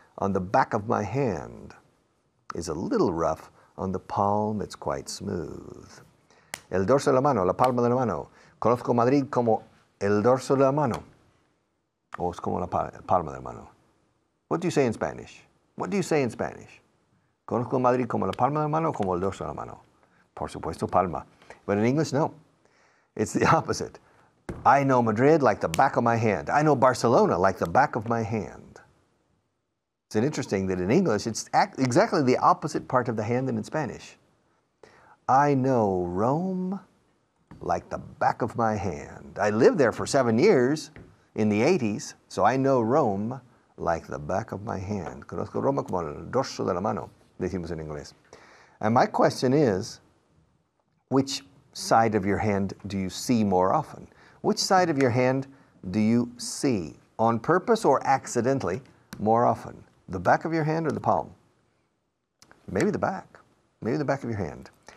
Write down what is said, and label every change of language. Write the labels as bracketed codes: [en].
[en] On the back of my hand is a little rough. On the palm, it's quite smooth. [es] El dorso de la mano, la palma de la mano. Conozco Madrid como el dorso de la mano. [en] O es como la palma de la mano. What do you say in Spanish? What do you say in Spanish? [es] Conozco Madrid como la palma de la mano o como el dorso de la mano. [en] Por supuesto, palma. But in English, no. It's the opposite. I know Madrid like the back of my hand. I know Barcelona like the back of my hand. It's interesting that in English, it's exactly the opposite part of the hand than in Spanish. I know Rome like the back of my hand. I lived there for 7 years in the 80s, so I know Rome like the back of my hand. [es] Conozco Roma como el dorso de la mano, decimos en inglés. [en] And my question is, which side of your hand do you see more often? Which side of your hand do you see, on purpose or accidentally, more often? The back of your hand or the palm? Maybe the back. Maybe the back of your hand.